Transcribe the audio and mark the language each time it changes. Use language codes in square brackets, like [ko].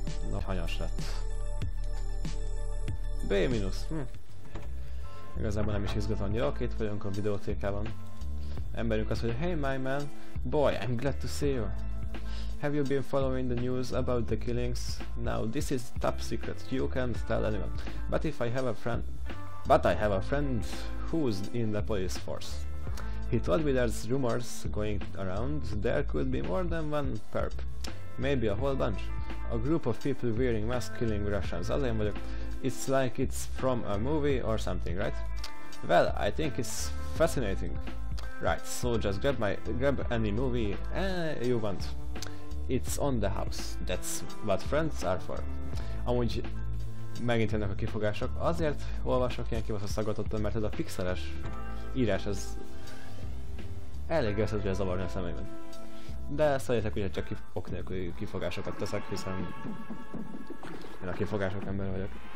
[hu] Na, hanyas lett. B-. Igazából nem is izgat annyira, oké, itt vagyunk a videótékában. Emberünk az, hogy [en] hey my man, boy, I'm glad to see you. Have you been following the news about the killings? Now this is top secret, you can't tell anyone. But if I have a friend... but I have a friend who's in the police force. He told me there's rumors going around, there could be more than one perp. Maybe a whole bunch. A group of people wearing masks killing Russians. [hu] Az én vagyok. [en] It's like it's from a movie or something, right? Well, I think it's fascinating. Right, so just grab any movie you want. It's on the house. That's what friends are for. [hu] Amúgy megint jönnek a kifogások. Azért olvasok ilyen kibaszott szaggatottan, mert ez a pixeles írás, ez elég össze tudja zavarni a szememben. De szerintek, hogy csak ok nélkül kifogásokat teszek, hiszen én a kifogások ember vagyok.